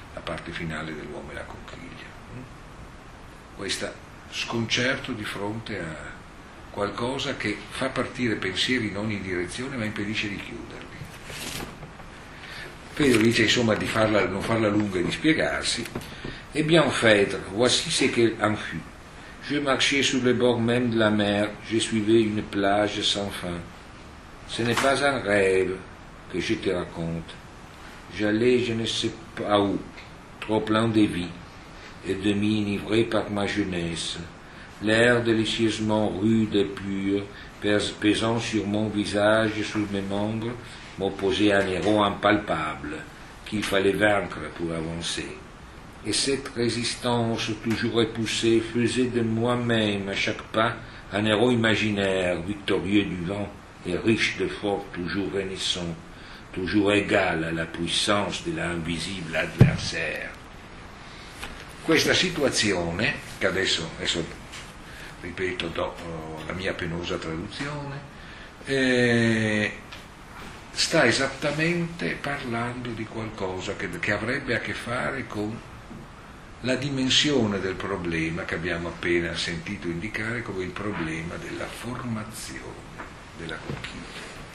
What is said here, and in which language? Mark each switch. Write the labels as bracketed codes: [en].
[it] La parte finale dell'uomo e la conchiglia. Questo sconcerto di fronte a qualcosa che fa partire pensieri in ogni direzione ma impedisce di chiuderli. Pedro dice, insomma, di farla, non farla lunga e di spiegarsi. [fr] Et bien, Phèdre, voici ce qu'elle en fut. Je marchais sur le bord même de la mer, je suivais une plage sans fin. Ce n'est pas un rêve que je te raconte. J'allais je ne sais pas où, trop plein de vie, et demi enivré par ma jeunesse. L'air délicieusement rude et pur, pesant sur mon visage et sur mes membres, m'opposait un héros impalpable qu'il fallait vaincre pour avancer. Et cette résistance toujours repoussée faisait de moi-même à chaque pas un héros imaginaire, victorieux du vent et riche de force, toujours renaissant, toujours égal à la puissance de l'invisible adversaire. [it] Questa situazione, che adesso ripeto dopo la mia penosa traduzione, sta esattamente parlando di qualcosa che avrebbe a che fare con la dimensione del problema che abbiamo appena sentito indicare come il problema della formazione della conchiglia.